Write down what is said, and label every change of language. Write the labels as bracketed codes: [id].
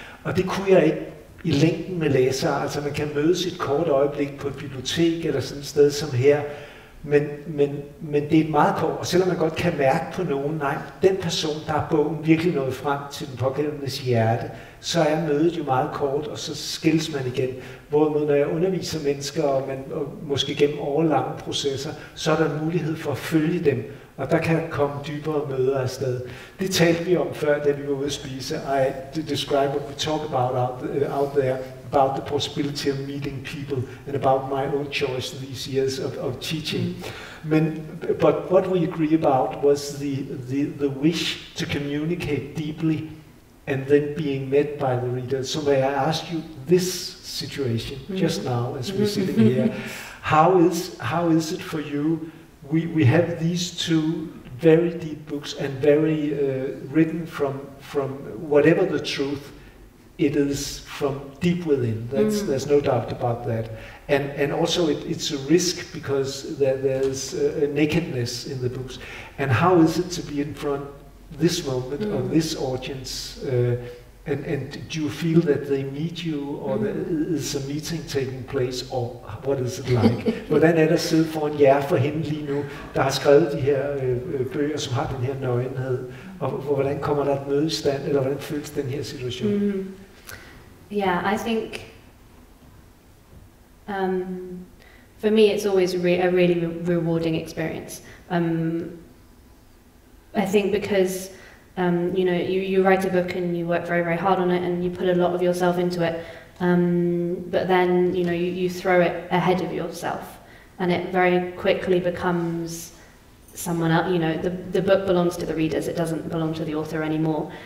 [da] Og det kunne jeg ikke i længden med læsere, altså man kan mødes et kort øjeblik på et bibliotek eller sådan et sted som her, men det er meget kort, og selvom man godt kan mærke på nogen, nej, den person, der har bogen virkelig nået frem til den pågældendes hjerte, så er mødet jo meget kort, og så skilles man igen. Hvorimod når jeg underviser mennesker, og måske gennem årlange processer, så er der mulighed for at følge dem, og der kan komme dybere møder afsted. Det talte vi om før, da vi var ude at spise. [en] I describe what we talk about out there, about the possibility of meeting people, and about my own choice these years of teaching. But what we agree about was the wish to communicate deeply, and then being met by the reader. So may I ask you this situation, just now, as we're sitting here, how is it for you? We have these two very deep books, and very written from whatever the truth, it is from deep within. There's no doubt about that. And also it's a risk, because there's a nakedness in the books. And how is it to be in front this moment of this audience, and do you feel that they meet you, or is a meeting taking place, or what is it like? [da] Hvordan er der sidde foran jer, for hende lige nu, der har skrevet de her bøger, som har den her nøgenhed, og hvordan kommer der et møde i stand, eller hvordan føles den her situation? [en] I think for me it's always a really rewarding experience. I think because, you know, you write a book and you work very, very hard on it and you put a lot of yourself into it, but then, you know, you throw it ahead of yourself and it very quickly becomes someone else. You know, the book belongs to the readers, it doesn't belong to the author anymore.